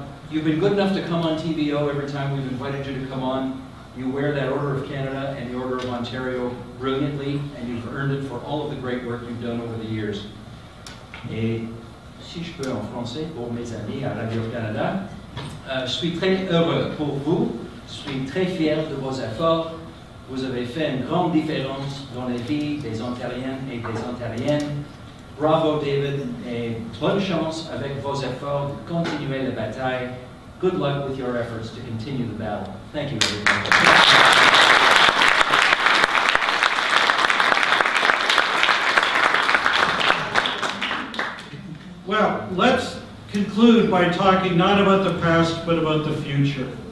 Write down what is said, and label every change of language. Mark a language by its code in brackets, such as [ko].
[en] You've been good enough to come on TVO every time we've invited you to come on. You wear that Order of Canada and the Order of Ontario brilliantly, and you've earned it for all of the great work you've done over the years. [fr] Et si je peux en français pour mes amis à Radio Canada, je suis très heureux pour vous. Je suis très fier de vos efforts. Vous avez fait une grande différence dans les vies des Ontariens et des Ontariennes. Bravo, David, et bonne chance avec vos efforts de continuer la bataille. [en] Good luck with your efforts to continue the battle. Thank you, David. Well, let's conclude by talking not about the past, but about the future.